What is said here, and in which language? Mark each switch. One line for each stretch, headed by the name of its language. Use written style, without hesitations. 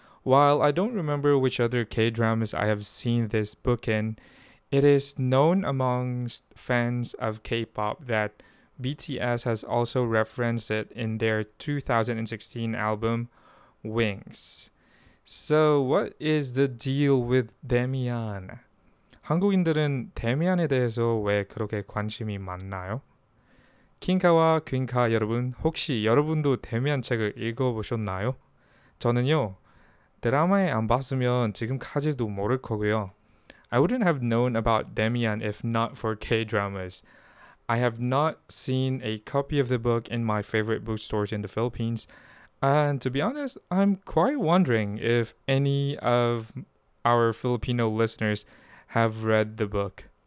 English: While I don't remember which other K-dramas I have seen this book in, it is known amongst fans of K-pop that BTS has also referenced it in their 2016 album, Wings. So, what is the deal with Demian?
Korean: 한국인들은 데미안에 대해서 왜 그렇게 관심이 많나요? 킹카와 퀸카 여러분, 혹시 여러분도 데미안 책을 읽어보셨나요? 저는요, 드라마에 안 봤으면 지금까지도 모를 거고요.
English: I wouldn't have known about Demian if not for K-dramas. I have not seen a copy of the book in my favorite bookstores in the Philippines. And to be honest, I'm quite wondering if any of our Filipino listeners have read the book.